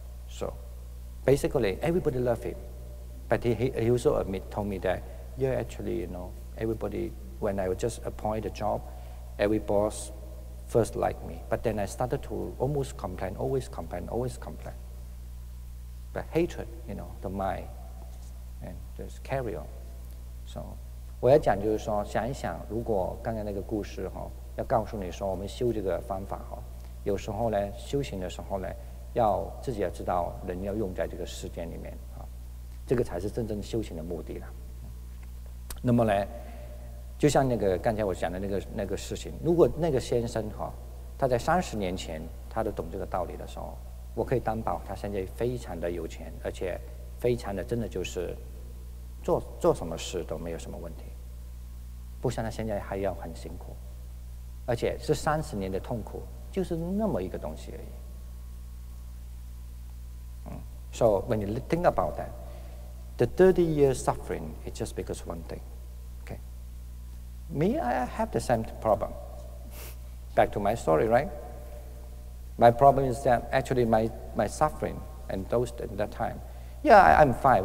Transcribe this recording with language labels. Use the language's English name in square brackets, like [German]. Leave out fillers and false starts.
[English] So basically everybody love him. But he also told me that, yeah, actually, you know, everybody, when I just appoint a job, every boss first liked me. But then I started to almost complain, always complain, always complain. The hatred, you know, the mind, and just carry on. [Chinese] So, 我要讲就是说，想一想，如果刚刚那个故事哈，要告诉你说，我们修这个方法哈，有时候呢，修行的时候呢，要自己要知道，人要用在这个世间里面啊，这个才是真正修行的目的了。那么呢，就像那个刚才我讲的那个事情，如果那个先生哈，他在30年前他都懂这个道理的时候。我可以担保他现在非常的有钱，而且非常的真的就是做什么事都没有什么问题，不像他现在还要很辛苦，而且是三十年的痛苦，就是那么一个东西而已。 [English] So when you think about that, the 30 years suffering is just because of one thing. Okay. Me, I have the same problem. Back to my story, right? My problem is that actually my suffering and those at that time, yeah, I'm fine.